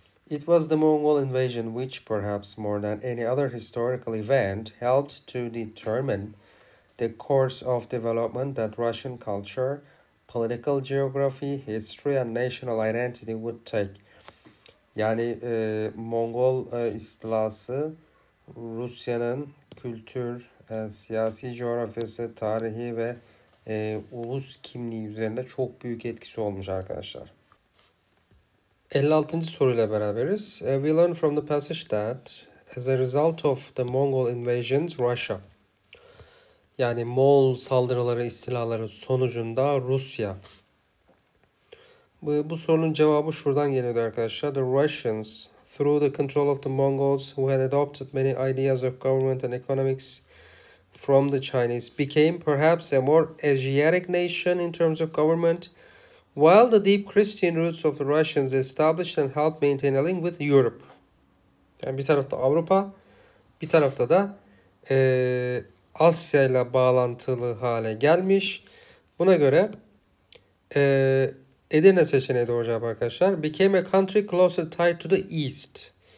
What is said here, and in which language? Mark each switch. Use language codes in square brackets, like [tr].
[en] It was the Mongol invasion which perhaps more than any other historical event helped to determine the course of development that Russian culture, political geography, history and national identity would take. [tr] Yani Mongol istilası Rusya'nın kültür, siyasi coğrafyası, tarihi ve ulus kimliği üzerinde çok büyük etkisi olmuş arkadaşlar. 56. soruyla beraberiz. [en] We learn from the passage that as a result of the Mongol invasions, Russia, [tr] yani Moğol saldırıları, istilaları sonucunda Rusya. Bu sorunun cevabı şuradan geliyordu arkadaşlar. [en] The Russians, through the control of the Mongols, who had adopted many ideas of government and economics from the Chinese, became perhaps a more Asiatic nation in terms of government, while the deep Christian roots of the Russians established and helped maintain a link with Europe. [tr] Yani bir tarafta Avrupa, bir tarafta da Asya ile bağlantılı hale gelmiş. Buna göre Edirne seçeneği de olacak arkadaşlar. [en] Became a country closer tied to the east.